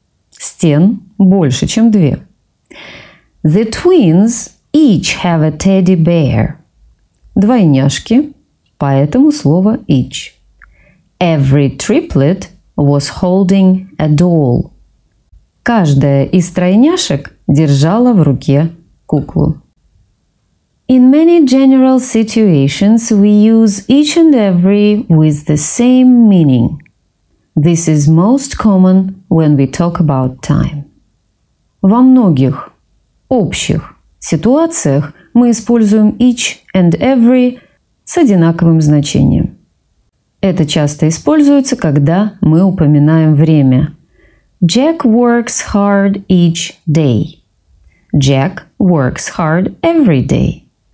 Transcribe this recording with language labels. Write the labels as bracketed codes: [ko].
[ru] Стен больше, чем 2. [en] The twins each have a teddy bear. [ru] Двойняшки, поэтому слово each. [en] Every triplet was holding a doll. [ru] Каждая из тройняшек держала в руке куклу. [en] In many general situations we use each and every with the same meaning. This is most common when we talk about time. [ru] Во многих общих ситуациях мы используем each and every с одинаковым значением. Это часто используется, когда мы упоминаем время. [en] Jack works hard each day. Jack works hard every day.